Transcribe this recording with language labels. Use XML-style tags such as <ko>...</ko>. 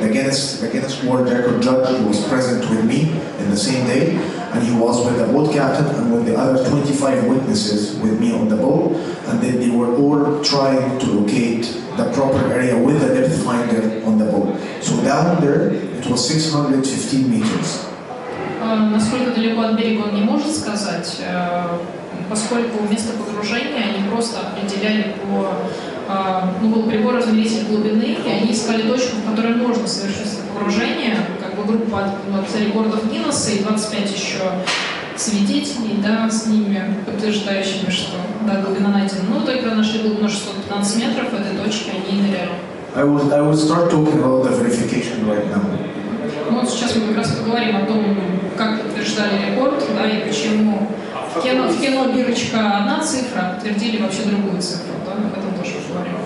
<en>The Guinness World Record judge was present with me in the same day, and he was with the boat captain and with the other 25 witnesses with me on the boat, and then they were all trying to locate the proper area with the depth finder on the boat. So down there, it was 615 meters.</en> <ru>Насколько далеко от берега он не может сказать, поскольку место погружения они просто определяли по... Ну, был прибор измерителя глубины, и они искали точку, в которой можно совершить погружение, как бы группа от рекордов Гиннесса и 25 еще свидетелей, да, с ними, подтверждающими, что, да, глубина найдена. Ну, только нашли глубину 615 метров этой точки, они и ныряли.</ru> <en>I will start talking about the verification right now.</en> <ru>Ну, вот сейчас мы как раз поговорим о том, как подтверждали рекорд, да, и почему в кино бирочка одна цифра, подтвердили вообще другую цифру, да, об этом тоже поговорим.</ru>